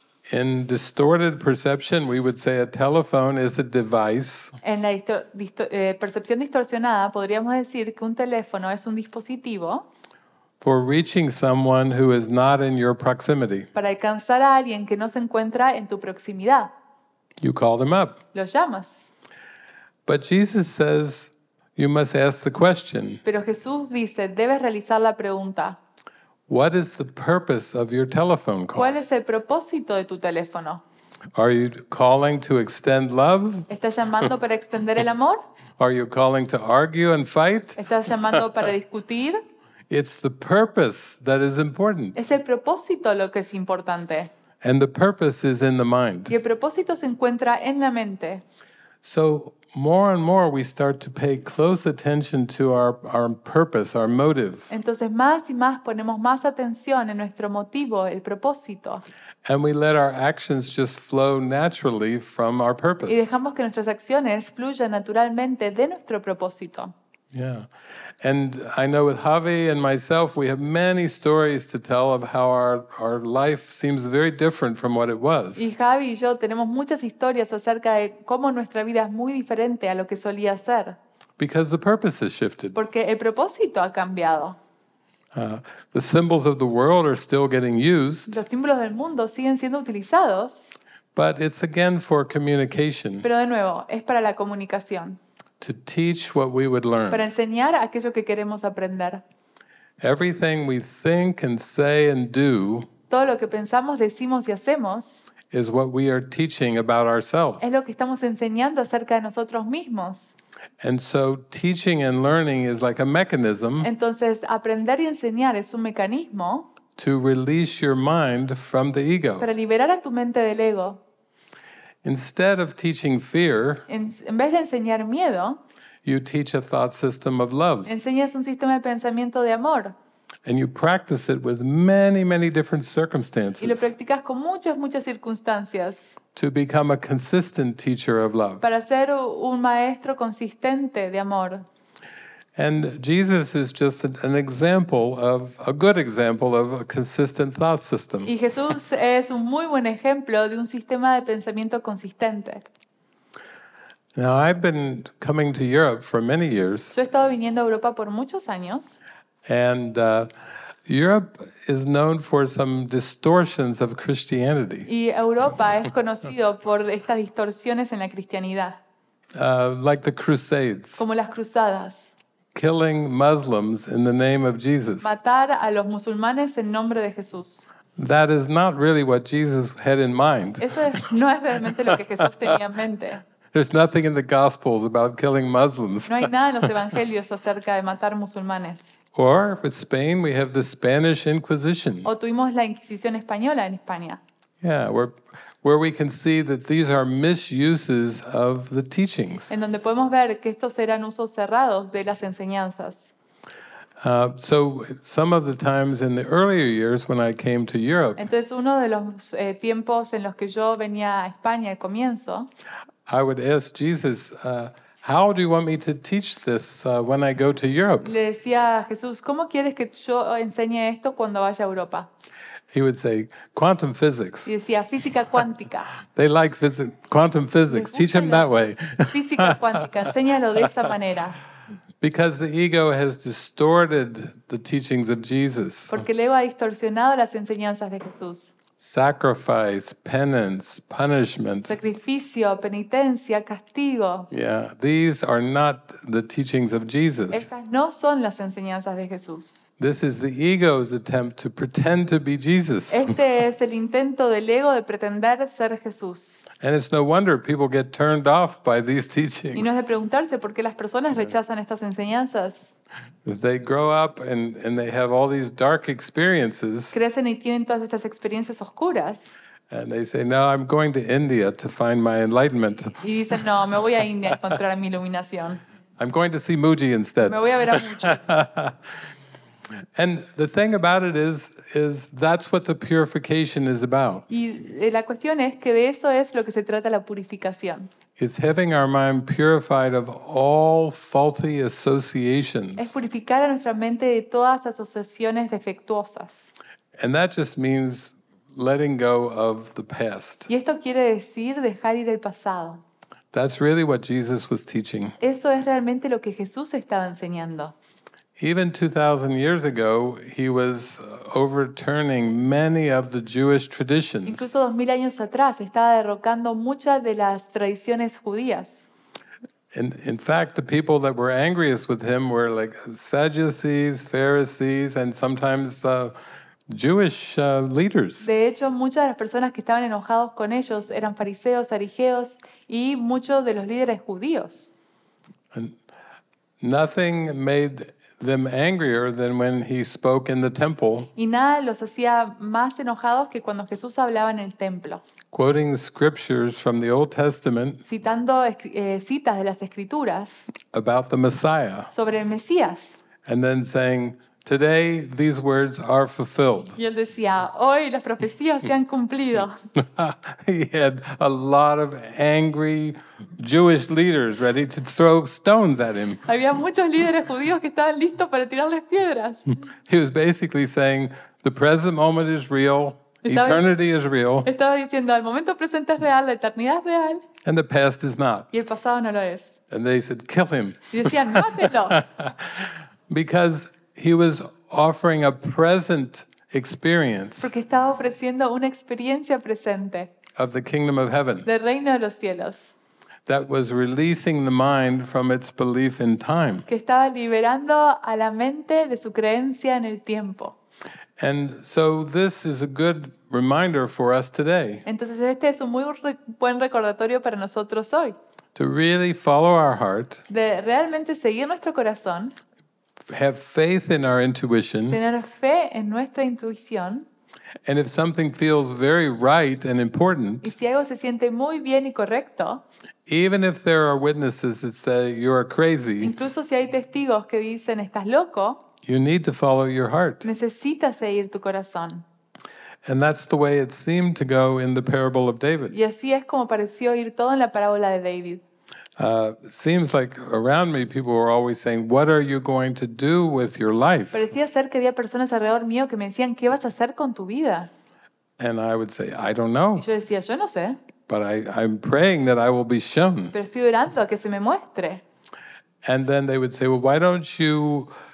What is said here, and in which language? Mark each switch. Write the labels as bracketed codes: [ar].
[en] In distorted perception, we would say a telephone is a device. [es] En la percepción distorsionada, podríamos decir que un teléfono es un dispositivo. [en] For reaching someone who is not in your proximity. [es] Para alcanzar a alguien que no se encuentra en tu proximidad. [en] You call them up. [es] Los llamas. [en] But Jesus says, you must ask the question. [es] Pero Jesús dice, debes realizar la pregunta. [en] What is the purpose of your telephone call? [es] ¿Cuál es el propósito de tu teléfono? [en] Are you calling to extend love? [es] ¿Estás llamando para extender el amor? [en] Are you calling to argue and fight? [es] ¿Estás llamando para discutir? [en] It's the purpose that is important. [es] Es el propósito lo que es importante. [en] And the purpose is in the mind. [es] Y el propósito se encuentra en la mente. [en] So more and more we start to pay close attention to our purpose, our motive. [es] Entonces más y más ponemos más atención en nuestro motivo, el propósito. [en] And we let our actions just flow naturally from our purpose. [es] Y dejamos que nuestras acciones fluyan naturalmente de nuestro propósito. [en] Yeah. And I know with Javi and myself we have many stories to tell of how our life seems very different from what it was. [es] Y Javi y yo tenemos muchas historias acerca de cómo nuestra vida es muy diferente a lo que solía ser. [en] Because the purpose has shifted. [es] Porque el propósito ha cambiado. [en] The symbols of the world are still getting used. [es] Los símbolos del mundo siguen siendo utilizados. [en] But it's again for communication. [es] Pero de nuevo, es para la comunicación. [en] To teach what we would learn. [es] Para enseñar aquello que queremos aprender. [en] Everything we think and say and do. [es] Todo lo que pensamos, decimos y hacemos. [en] Is what we are teaching about ourselves. [es] Es lo que estamos enseñando acerca de nosotros mismos. [en] And so teaching and learning is like a mechanism. [es] Entonces aprender y enseñar es un mecanismo. [en] To release your mind from the ego. [es] Para liberar a tu mente del ego. [en] Instead of teaching fear, [es] en vez de enseñar miedo, [en] you teach a thought system of love. [es] Enseñas un sistema de pensamiento de amor. [en] And you practice it with many, many different circumstances. [es] Y lo practicas con muchas, muchas circunstancias. [en] To become a consistent teacher of love. [es] Para ser un maestro consistente de amor. [en] And Jesus is just an example of a good example of a consistent thought system. [es] Y Jesús es un muy buen ejemplo de un sistema de pensamiento consistente. [en] Now I've been coming to Europe for many years. [es] Yo he estado viniendo a Europa por muchos años. [en] And Europe is known for some distortions of Christianity. [es] Y Europa es conocido por estas distorsiones en la cristianidad. [en] Like the Crusades. [es] Como las cruzadas. [en] Killing Muslims in the name of Jesus. [es] Matar a los musulmanes en nombre de Jesús. [en] That is not really what Jesus had in mind. [es] Eso no es realmente lo que Jesús tenía en mente. [en] There's nothing in the Gospels about killing Muslims. [es] No hay nada en los evangelios acerca de matar musulmanes. [en] Or with Spain, we have the Spanish Inquisition. [es] O tuvimos la Inquisición española en España. [en] Yeah, where we can see that these are misuses of the teachings. [es] En donde podemos ver que estos eran usos cerrados de las enseñanzas. [en] So some of the times in the earlier years when I came to Europe. [es] Entonces uno de los tiempos en los que yo venía a España al comienzo. [en] I would ask Jesus, how do you want me to teach this when I go to Europe? [es] Le decía a Jesús, ¿cómo quieres que yo enseñe esto cuando vaya a Europa? [en] He would say, quantum physics. [es] Y decía, física cuántica. [en] They like quantum physics. Teach them that way. [es] Física cuántica. Enséñalo de esa manera. [en] Because the ego has distorted the teachings of Jesus. [es] Porque el ego ha distorsionado las enseñanzas de Jesús. [en] Sacrifice, penance, punishment. [es] Sacrificio, penitencia, castigo. [en] Yeah, these are not the teachings of Jesus. [es] Estas no son las enseñanzas de Jesús. [en] This is the ego's attempt to pretend to be Jesus. [es] Este es el intento del ego de pretender ser Jesús. [en] And it's no wonder people get turned off by these teachings. [es] Y no es de preguntarse por qué las personas rechazan estas enseñanzas. [en] They grow up and they have all these dark experiences. [es] Crecen y tienen todas estas experiencias oscuras. [en] And they say, "No, I'm going to India to find my enlightenment." [es] Y dicen, "No, me voy a India a encontrar mi iluminación." [en] I'm going to see Muji instead. [es] Me voy a ver a Muji. [en] And the thing about it is that's what the purification is about. [es] Y la cuestión es que de eso es lo que se trata la purificación. [en] It's having our mind purified of all faulty associations. [es] Es purificar a nuestra mente de todas asociaciones defectuosas. [en] And that just means letting go of the past. [es] Y esto quiere decir dejar ir el pasado. [en] That's really what Jesus was teaching. [es] Eso es realmente lo que Jesús estaba enseñando. [en] Even 2,000 years ago, he was overturning many of the Jewish traditions. [es] Incluso 2,000 años atrás, estaba derrocando muchas de las tradiciones judías. [en] In fact, the people that were angriest with him were like Sadducees, Pharisees, and sometimes Jewish leaders. [es] De hecho, muchas de las personas que estaban enojados con ellos eran fariseos, sarigeos, y muchos de los líderes judíos. [en] And nothing made them angrier than when he spoke in the temple. [es] Y nada los hacía más enojados que cuando Jesús hablaba en el templo. [en] Quoting scriptures from the Old Testament. [es] Citando citas de las escrituras. [en] About the Messiah. [es] Sobre el Mesías. [en] And then saying, "Today these words are fulfilled." [es] Y él decía, "Hoy las profecías se han cumplido." [en] He had a lot of angry Jewish leaders ready to throw stones at him. [es] Había muchos líderes judíos que estaban listos para tirarles piedras. [en] He was basically saying, "The present moment is real. Eternity is real." [es] Estaba diciendo, "El momento presente es real, la eternidad es real." [en] And the past is not. [es] Y el pasado no lo es. [en] And they said, "Kill him." [es] Y decían, "Mátelo." [en] Because he was offering a present experience. [es] Porque estaba ofreciendo una experiencia presente. [en] Of the kingdom of heaven. [es] Del reino de los cielos. [en] That was releasing the mind from its belief in time. [es] Que estaba liberando a la mente de su creencia en el tiempo. [en] And so this is a good reminder for us today. [es] Entonces este es un muy buen recordatorio para nosotros hoy. [en] To really follow our heart. [es] De realmente seguir nuestro corazón. [en] Have faith in our intuition. [es] Tener fe en nuestra intuición. [en] And if something feels very right and important, [es] y si algo se siente muy bien y correcto, [en] even if there are witnesses that say you are crazy, [es] incluso si hay testigos que dicen estás loco, [en] you need to follow your heart. [es] Necesitas seguir tu corazón. [en] And that's the way it seemed to go in the parable of David. [es] Y así es como pareció ir todo en la parábola de David. [en] Seems like around me people were always saying, "What are you going to do with your life?" [es] Parecía ser que había personas alrededor mío que me decían, "¿Qué vas a hacer con tu vida?" [en] And I would say, "I don't know." [es] Y yo decía, "Yo no sé." [en] But I'm praying that I will be shown. [es] Pero estoy orando a que se me muestre. [en] And then they would say, "Well, why don't you